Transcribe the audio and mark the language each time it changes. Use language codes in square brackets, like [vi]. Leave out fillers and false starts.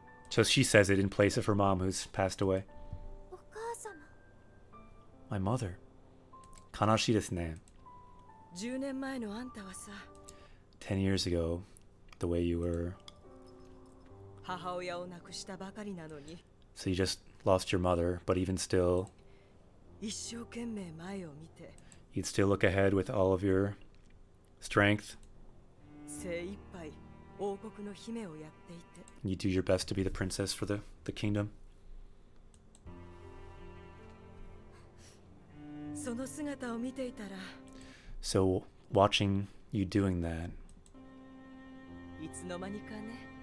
[en] So she says it in place of her mom who's passed away. [ja] お母様。 [en] My mother. [ja] 悲しいですね。 10年前のあんたはさ。 [en] 10 years ago. The way you were. [ja] 母親を亡くしたばかりなのに。 [en] So you just lost your mother, but even still, [ja] 一生懸命前を見て。 [en] You'd still look ahead with all of your strength. [ja] 精一杯王国の姫をやっていて。 [en] You'd do your best to be the princess for the kingdom. [ja] その姿を見ていたら。 [en] So watching you doing that. [ja] いつの間にかね。